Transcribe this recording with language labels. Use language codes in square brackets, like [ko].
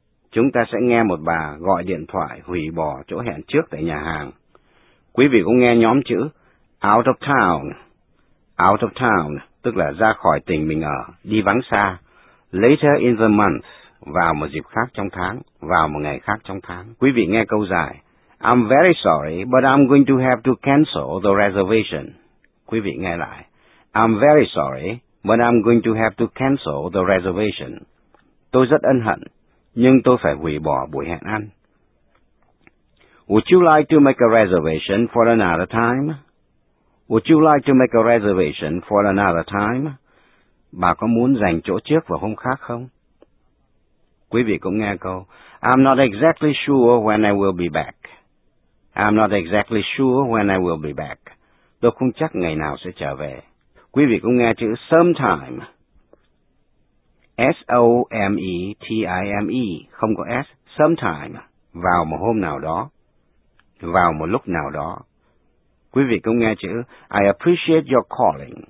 [vi] Chúng ta sẽ nghe một bà gọi điện thoại hủy bỏ chỗ hẹn trước tại nhà hàng. Quý vị cũng nghe nhóm chữ [en] out of town, [vi] tức là ra khỏi tỉnh mình ở, đi vắng xa, [en] later in the month, [vi] vào một dịp khác trong tháng, vào một ngày khác trong tháng. Quý vị nghe câu dài, [en] I'm very sorry, but I'm going to have to cancel the reservation. [vi] Quý vị nghe lại, [en] I'm very sorry, but I'm going to have to cancel the reservation. [vi] Tôi rất ân hận, nhưng tôi phải hủy bỏ buổi hẹn ăn. [en] Would you like to make a reservation for another time? Would you like to make a reservation for another time? [vi] Bà có muốn dành chỗ trước vào hôm khác không? Quý vị cũng nghe câu, [en] I'm not exactly sure when I will be back. I'm not exactly sure when I will be back. [vi] Tôi không chắc ngày nào sẽ trở về. Quý vị cũng nghe chữ sometime. S-O-M-E-T-I-M-E, không có S, sometime, vào một hôm nào đó. Vào một lúc nào đó. Quý vị cũng nghe chữ [en] I appreciate your calling.